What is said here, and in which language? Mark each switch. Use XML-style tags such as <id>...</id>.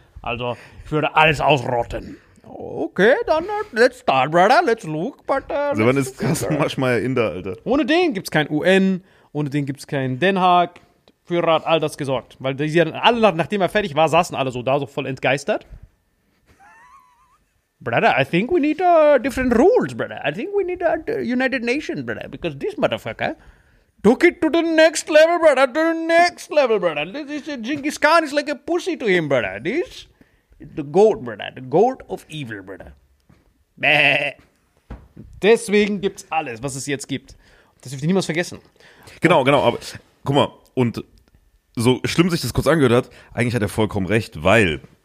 <de>Also, ich würde alles ausrotten.</de> <en>Okay,</en> <de>dann</de> <en>let's start, brother. Let's look. But,</en> <de>also, wann ist Carsten Maschmeyer Inder, Alter? Ohne den gibt's kein UN. Ohne den gibt's kein Den Haag. Führer hat all das gesorgt. Weil die dann alle, nachdem er fertig war, saßen alle so da, so voll entgeistert.</de> <en>Brother, I think we need different rules, brother. I think we need United Nations, brother. Because this motherfucker took it to the next level, brother. To the next level, brother. This is Genghis Khan is like a pussy to him, brother. This is the goat, brother. The goat of evil, brother. Bäh.</en> <de>Deswegen gibt's alles, was es jetzt gibt. Das dürft ihr niemals vergessen. Genau, genau. Aber guck mal, und so schlimm sich das kurz angehört hat, eigentlich hat er vollkommen recht, weil.</de>